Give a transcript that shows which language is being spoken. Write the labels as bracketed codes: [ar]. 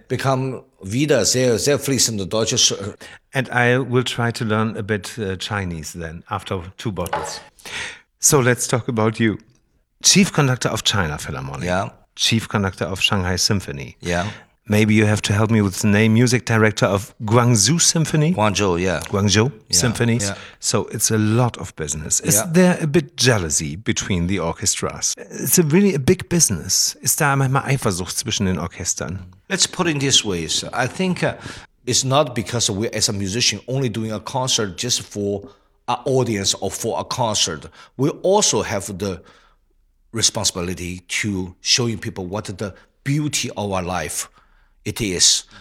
[de] Become wieder sehr, sehr fließend Deutsch. [en] And I will try to learn a bit Chinese then, after two bottles. So let's talk about you. Chief Conductor of China Philharmonic. Yeah. Chief Conductor of Shanghai Symphony. Yeah. Maybe you have to help me with the name. Music Director of Guangzhou Symphony. Guangzhou Symphony. Yeah. So it's a lot of business. Is there a bit jealousy between the orchestras? It's a big business. [de] Ist da manchmal Eifersucht zwischen den Orchestern? [en] Let's put it this way. I think... It's not because we, as a musician, only doing a concert just for an audience or for a concert. We also have the responsibility to showing people what the beauty of our life it is.